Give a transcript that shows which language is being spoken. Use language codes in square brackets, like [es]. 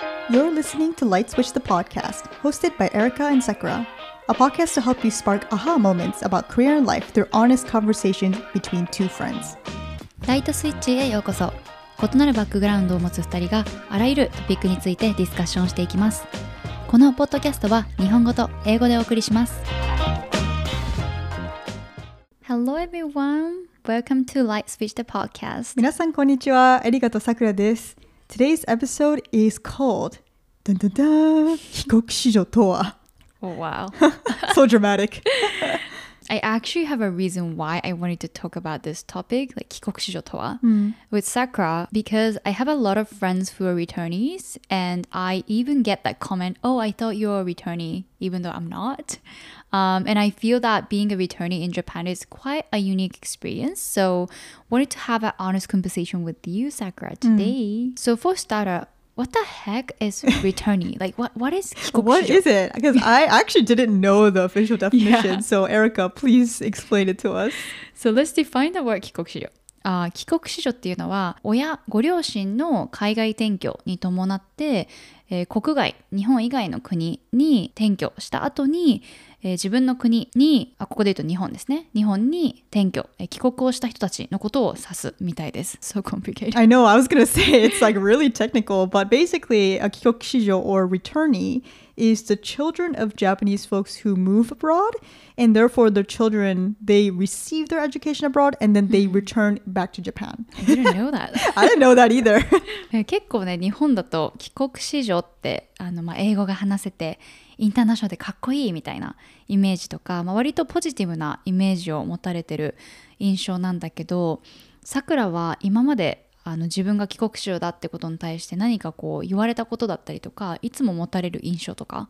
[en] You're listening to Light Switch the Podcast, hosted by Erica and Sakura, a podcast to help you spark aha moments about career and life through honest conversations between two friends. [ja] Light Switch へようこそ。異なるバックグラウンドを持つ2人があらゆるトピックについてディスカッションしていきます。このポッドキャストは日本語と英語でお送りします。 [en] Hello everyone. Welcome to Light Switch the Podcast. [ja] 皆さんこんにちは。エリカとサクラです。 [en] Today's episode is called dun dun [ja] dun, 帰国子女とは。 [en] Oh wow. So dramatic. I actually have a reason why I wanted to talk about this topic, like [ja] 帰国子女とは、 [en] with Sakura, because I have a lot of friends who are returnees, and I even get that comment, oh, I thought you were a returnee, even though I'm not. And I feel that being a returnee in Japan is quite a unique experience. So wanted to have an honest conversation with you, Sakura, today. So for starter, what the heck is returnee? Like, what is 帰国子女? What is it? Because I actually didn't know the official definition. Yeah. So Erica, please explain it to us. So let's define the word 帰国子女. [ja] 帰国子女っていうのは、親、ご両親の海外転居に伴って、国外、日本以外の国に転居した後に、自分の国に、あ、ここで言うと日本ですね。日本に転居、帰国をした人たちのことを指すみたいです。 [en] So complicated. I know, I was gonna say it's like really technical, but basically, a 帰国子女 or returnee is the children of Japanese folks who move abroad, and therefore the children, they receive their education abroad, and then they return back to Japan. I didn't know that. I didn't know that either. [ja] 結構ね、日本だと帰国子女って、まあ、英語が話せて、インターナショナルでかっこいいみたいなイメージとか、まあ、割とポジティブなイメージを持たれてる印象なんだけど、さくらは今まで自分が帰国子女だってことに対して何かこう言われたことだったりとか、いつも持たれる印象とか、